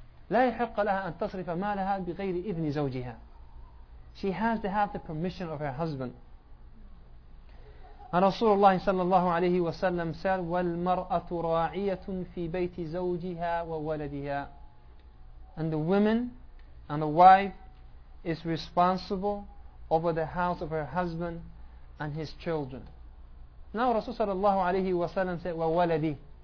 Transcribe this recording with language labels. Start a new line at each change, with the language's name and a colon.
Arabic: لا يحق لها أن تصرف مالها بغير إذن زوجها.
English: She has to have the permission of her husband. And Rasulullah
Arabic: صلى الله عليه وسلم
English: said,
Arabic: والمرأة راعية في بيت زوجها وولدها.
English: And the woman and the wife is responsible over the house of her husband and his children. Now Rasul
Arabic: صلى الله عليه وسلم
English: said,
Arabic: وولدي.